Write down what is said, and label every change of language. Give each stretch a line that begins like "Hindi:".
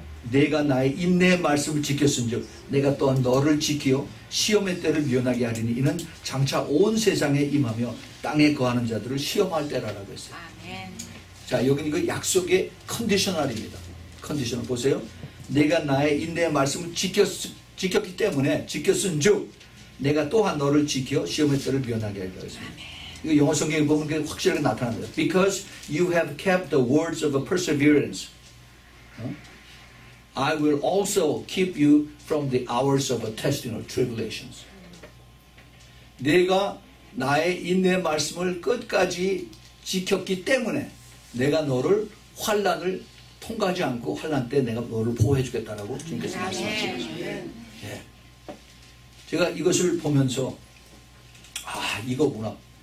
Korean: 내가 나의 인내의 말씀을 지켰은즉 내가 또한 너를 지키어 시험의 때를 미연하게 하리니 이는 장차 온 세상에 임하며 땅에 거하는 자들을 시험할 때라라고 했어요. 아멘. 자, 여기는 그 약속의 컨디셔널입니다. 컨디셔널 보세요. 내가 나의 인내의 말씀을 지켰기 때문에 지켰은 즉 내가 또한 너를 지켜 시험의 때를 면하게 하리라 했습니다. 이거 영어 성경에 보면 그게 확실하게 나타납니다.
English: Because you have kept the words of a perseverance, I will also keep you from the hours of a testing or tribulations.
Korean: 내가 나의 인내의 말씀을 끝까지 지켰기 때문에 내가 너를 환난을 통과하지 않고 환난 때 내가 너를 보호해 주겠다라고 주님께서 말씀하셨습니다. 예. 제가 이것을 보면서 아 이거구나.